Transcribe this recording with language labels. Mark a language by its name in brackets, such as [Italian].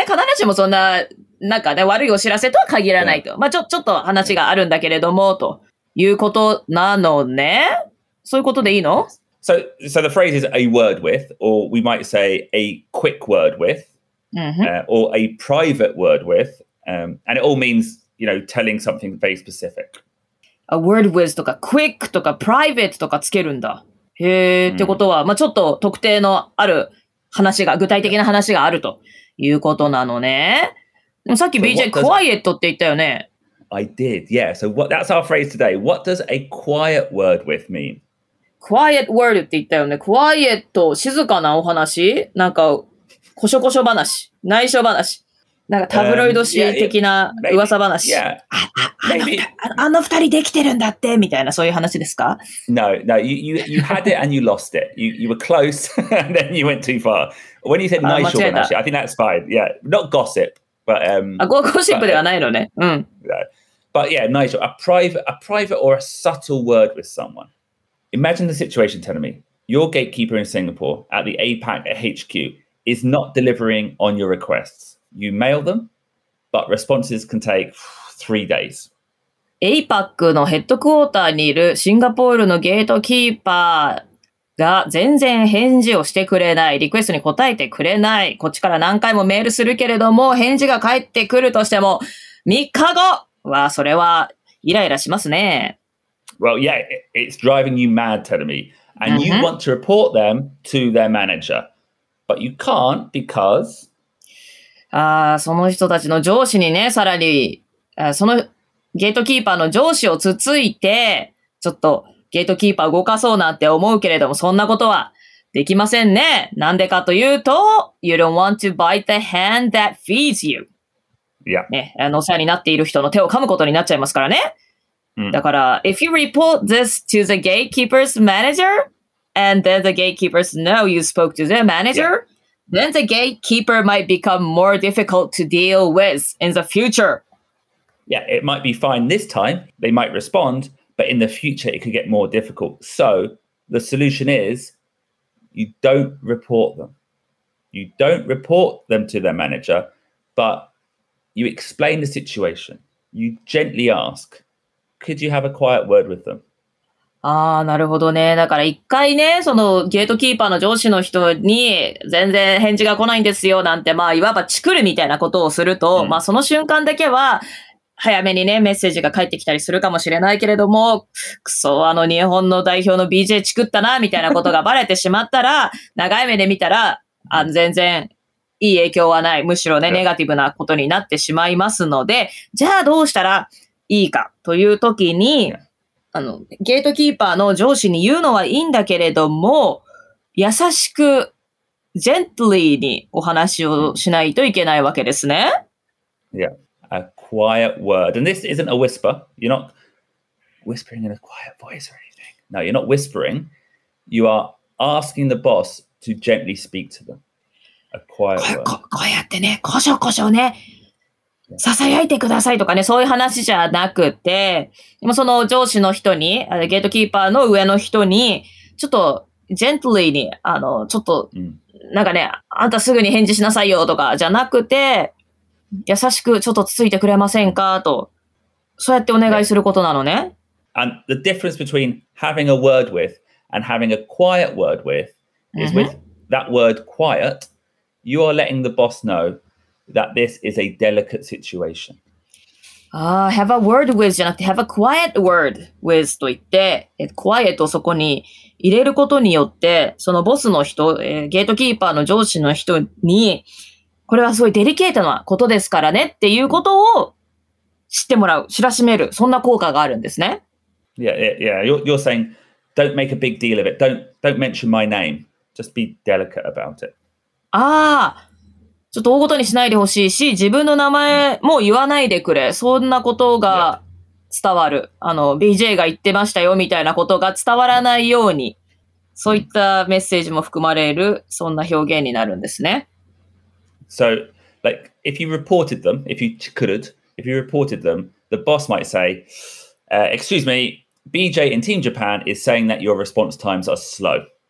[Japanese] 必ずしもそんな、なんかね、悪いお知らせとは限らないと。 Yeah. まあ、ちょっと話があるんだけれども、ということなのね。そういうことでいいの？ [English] So the phrase is a word with, or we might say a quick word with,、or a private word with,、and it all means, you know, telling something very specific. A word with [Japanese] とか quick とか private とかつけるんだ。へー、ってことは、まあ、ちょっと特定のある話が、具体的な話があるということなのね。さっき BJ、quiet って言ったよね。 [English] I did, yeah. So what, that's our phrase today. What does a quiet word with mean? Quiet word [Japanese] って言ったよね。 Quiet、静かなお話、なんか、こしょこしょ話、内緒話、なんかタブロイド紙的な噂話。あの二人できてるんだってみたいな、そういう話ですか？ [English] No, you had it and you lost it. You were close and then you went too far. When you said nice or nice, I think that's fine. Yeah, not gossip, but [Japanese] Gossip ではないのね。 [English] But yeah, nice. A private or a subtle word with someone. Imagine the situation, Tenami. Your gatekeeper in Singapore at the APAC at HQ is not delivering on your requests. You mail them, but responses can take three days. [Japanese] APAC のヘッドクォーターにいるシンガポールのゲートキーパーが全然返事をしてくれない。リクエストに答えてくれない。こっちから何回もメールするけれども、返事が返ってくるとしても、3日後はそれはイライラしますね。 [English] Well, yeah, it's driving you mad, Tenami. And you want to report them to their manager. But you can't because... [Japanese] その人たちの上司にね、さらに、そのゲートキーパーの上司をつついて、ちょっとゲートキーパー動かそうなんて思うけれども、そんなことはできませんね。なんでかというと、 [English] You don't want to bite the hand that feeds you. Yeah. [Japanese] ね、お世話になっている人の手を噛むことになっちゃいますからね。だから、 [English] If you report this to the gatekeeper's manager, and then the gatekeepers know you spoke to their manager,、then the gatekeeper might become more difficult to deal with in the future. Yeah, it might be fine this time. They might respond, but in the future, it could get more difficult. So the solution is you don't report them. You don't report them to their manager, but you explain the situation. You gently ask, could you have a quiet word with them? [Japanese] ああ、なるほどね。だから一回ね、そのゲートキーパーの上司の人に全然返事が来ないんですよなんて、まあ、いわばチクるみたいなことをすると、まあ、その瞬間だけは、早めにね、メッセージが返ってきたりするかもしれないけれども、クソ、あの日本の代表の BJ チクったな、みたいなことがバレてしまったら、長い目で見たら、全然いい影響はない。むしろね、ネガティブなことになってしまいますので、じゃあどうしたらいいかという時に、ゲートキーパーの上司に言うのはいいんだけれども、優しく、ジェントリーにお話をしないといけないわけですね。いや。 [English] A quiet word. And this isn't a whisper. You're not whispering in a quiet voice or anything. No, you're not whispering. You are asking the boss to gently speak to them. A quiet word. [Japanese] こうやってね、こしょこしょね、ささやいてくださいとかね、そういう話じゃなくて、その上司の人に、ゲートキーパーの上の人に、ちょっと、gently に、ちょっと、なんかね、あんたすぐに返事しなさいよとかじゃなくて、優しくちょっとつついてくれませんかと、そうやってお願いすることなのね。 [English] And the difference between having a word with and having a quiet word with is with that word quiet, you are letting the boss know that this is a delicate situation. Have a word with [Japanese] じゃなくて [English] have a quiet word with [Japanese] と言って、quiet をそこに入れることによって、そのボスの人、ゲートキーパーの上司の人に、これはすごいデリケートなことですからねっていうことを知ってもらう、知らしめる、そんな効果があるんですね。 [English] Yeah, yeah, yeah. You're saying, don't make a big deal of it. Don't mention my name. Just be delicate about it. [Japanese] ああ。ちょっと大ごとにしないでほしいし、自分の名前も言わないでくれ。そんなことが伝わる。あの、BJ が言ってましたよみたいなことが伝わらないように、そういったメッセージも含まれる、そんな表現になるんですね。 [English] So, like, if you reported them, if you could, if you reported them, the boss might say,excuse me, BJ in Team Japan is saying that your response times are slow.